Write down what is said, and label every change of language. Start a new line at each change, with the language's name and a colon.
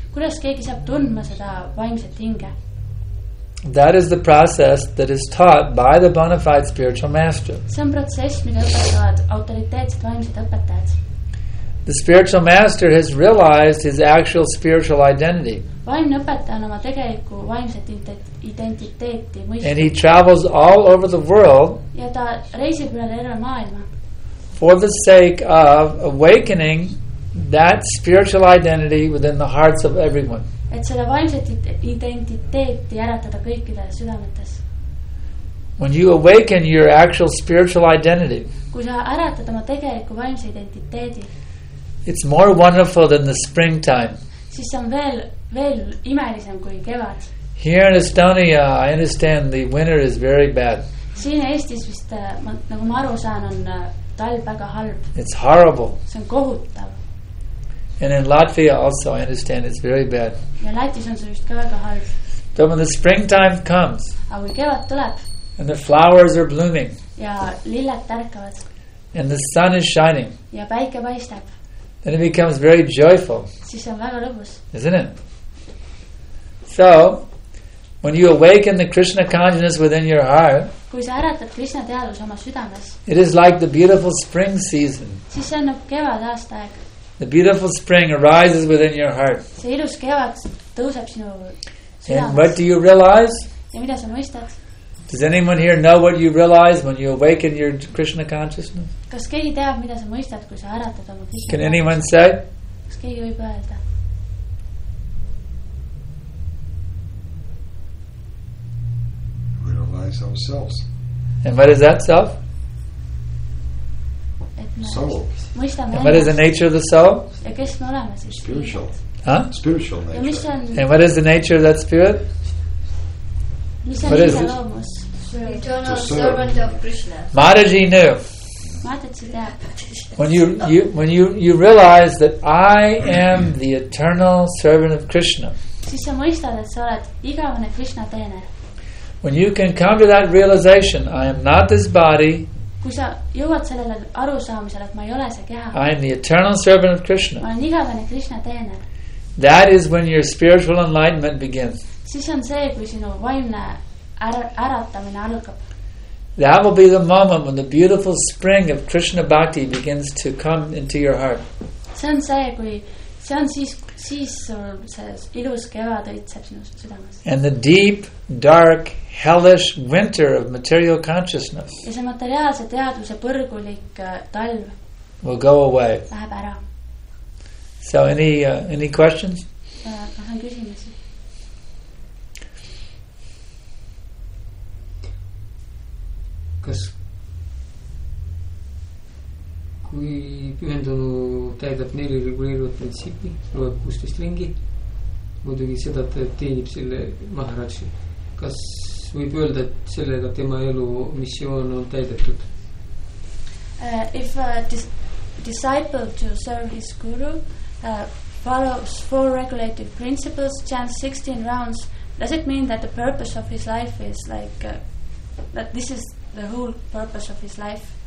Estonian: Kuidas keegi saab tundma seda vaimset hinge?
English: That is the process that is taught by the bona fide spiritual master.
Estonian: See on protsess, mida õpetavad autoriteetsed vaimsed õpetajad.
English: The spiritual master has realized his actual spiritual identity.
Estonian: Vaimne õpetaja on oma tegeliku vaimset identiteeti mõistnud.
English: And he travels all over the world.
Estonian: Ja ta reisib üle maailma.
English: For the sake of awakening that spiritual identity within the hearts of everyone.
Estonian: Et seda vaimset identiteeti äratada kõikide südametes.
English: When you awaken your actual spiritual identity,
Estonian: kui sa äratad oma tegeliku vaimse identiteedi,
English: it's more wonderful than the springtime.
Estonian: Siis on veel, veel imelisem kui kevad.
English: Here in Estonia, I understand the winter is very bad.
Estonian: Siin Eestis vist, nagu ma aru saan, on talv väga halb.
English: It's horrible.
Estonian: See on kohutav.
English: And in Latvia also, I understand, it's very bad.
Estonian: Ja Lätis on see vist ka väga halb.
English: But when the springtime comes,
Estonian: aga kui kevad tuleb,
English: and the flowers are blooming,
Estonian: ja lilled tärkavad,
English: and the sun is shining,
Estonian: ja päike paistab,
English: then it becomes very joyful.
Estonian: Siis on väga lõbus.
English: Isn't it? So, when you awaken the Krishna consciousness within your heart,
Estonian: kui sa äratad Krishna teadvus oma südames,
English: it is like the beautiful spring season.
Estonian: Siis see on nagu kevad aastaeg.
English: The beautiful spring arises within your heart.
Estonian: See ilus kevad tõuseb sinu südames.
English: And what do you realize?
Estonian: Ja mida sa mõistad?
English: Does anyone here know what you realize when you awaken your Krishna consciousness?
Estonian: Kas keegi teab, mida sa mõistad, kui sa äratad oma Krishna?
English: Can anyone say?
Estonian: Kas keegi võib öelda?
English: Realize ourselves. And what is that self? Soul. And what is the nature of the soul?
Estonian: Ja kes me oleme, siis
English: spiritual. Huh? Spiritual nature.
Estonian: Ja mis on,
English: and what is the nature of that spirit?
Estonian: Mis on,
English: what is it? Eternal servant of Krishna. Mataji knew. When you realize that I am the eternal servant of Krishna.
Estonian: Siis sa mõistad, et sa oled igavene Krishna teener.
English: When you can come to that realization, I am not this body.
Estonian: Kui sa jõuad sellele arusaamisele, et ma ei ole see keha.
English: I am the eternal servant of Krishna.
Estonian: Ma olen igavene Krishna teener.
English: That is when your spiritual enlightenment begins.
Estonian: Siis on see, kui sinu vaimne äratamine algab.
English: That will be the moment when the beautiful spring of Krishna bhakti begins to come into your heart.
Estonian: See on see, kui see on siis see ilus kevad õitseb sinu südames.
English: And the deep, dark, hellish winter of material consciousness.
Estonian: Ja see materiaalse teadvuse põrgulik talv.
English: Will go away.
Estonian: Läheb ära.
English: So any questions?
Estonian: Vähem küsimusi. Kas kui pühendunu täidab neli reguleeruvat printsiipi, loeb 16 ringi, muidugi seda teenib selle maharadži. Kas võib öelda, et sellega tema elu missioon on täidetud?
English: If a disciple to serve his guru follows four regulative principles, chants 16 rounds, does it mean that the purpose of his life is like that this is the whole purpose of his life?